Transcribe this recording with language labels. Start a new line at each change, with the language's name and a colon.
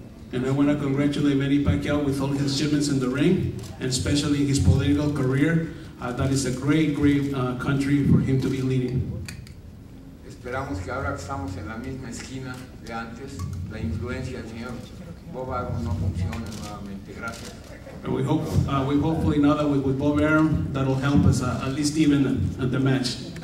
English: And I want to congratulate Manny Pacquiao with all his achievements in the ring, and especially his political career. That is a great country for him to be leading.
Spanish: Esperamos que ahora que estamos en la misma esquina de antes, la influencia del señor Bob Arum no funcione nuevamente. Gracias.
English: And we hope, hopefully now that with Bob Arum, that'll help us at least even at the match.